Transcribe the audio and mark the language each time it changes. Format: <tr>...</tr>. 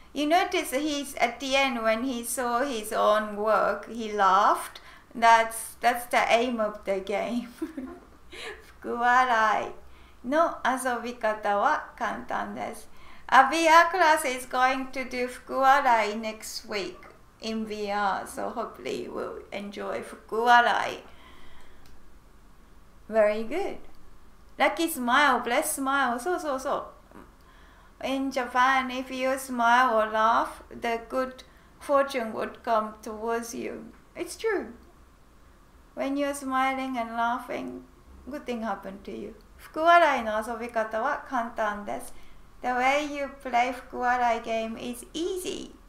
<en>You notice he's at the end when he saw his own work, he laughed. That's the aim of the game.</en> <ja>福笑いの遊び方は簡単です。</ja> <en>A VR class is going to do 福笑い next week. In VR, so hopefully you will enjoy 福笑い. Very good. Lucky smile, blessed smile. So, so, so. In Japan, if you smile or laugh, the good fortune would come towards you. It's true. When you're smiling and laughing, good thing happen to you.</en> <ja>福笑いの遊び方は簡単です.</ja> <en>The way you play 福笑い game is easy.</en>